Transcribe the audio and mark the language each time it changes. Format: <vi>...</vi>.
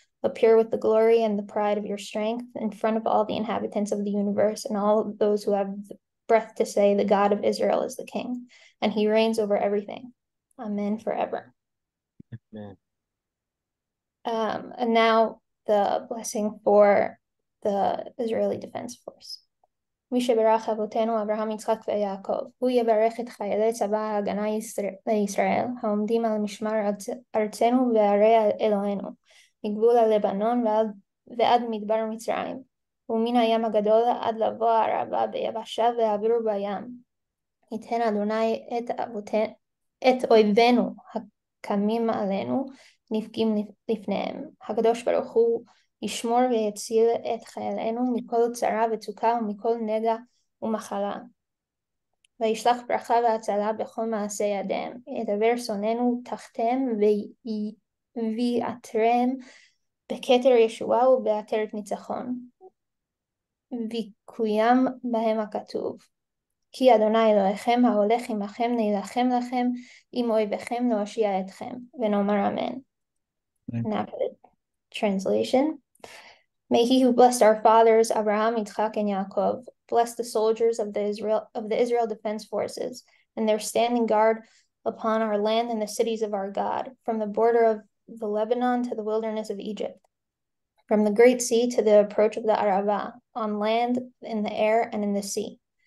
<en>Appear with the glory and the pride of your strength in front of all the inhabitants of the universe and all those who have the breath to say the God of Israel is the King, and he reigns over everything. Amen forever. Amen. And now the blessing for the Israeli Defense Force.</en> <he>מי שברך אבותינו אברהם יצחק ויעקב, הוא יברך את חיילי צבא ההגנה לישראל, העומדים על משמר ארצנו וערי אלוהינו, מגבול הלבנון ועד מדבר מצרים, ומן הים הגדול עד לבוא הערבה ביבשה ועברו בים. ייתן אדוני את אויבינו הקמים עלינו, נפגים לפניהם. הקדוש ברוך הוא, ישמור ויציל את חיילנו מכל צרה וצוקה ומכל נגע ומחלה. וישלח ברכה והצלה בכל מעשה ידיהם. ידבר שוננו תחתם ויעטרם בכתר ישועה ובעטרת ניצחון. ויקוים בהם הכתוב. כי אדוני אלוהיכם ההולך עמכם נלחם לכם עם אויביכם להושיע אתכם. ונאמר אמן.</he> <en>Translation. May he who blessed our fathers, Abraham, Yitzchak, and Yaakov, bless the soldiers of the Israel Defense Forces and their standing guard upon our land and the cities of our God, from the border of the Lebanon to the wilderness of Egypt, from the Great Sea to the approach of the Arava, on land, in the air, and in the sea.</en>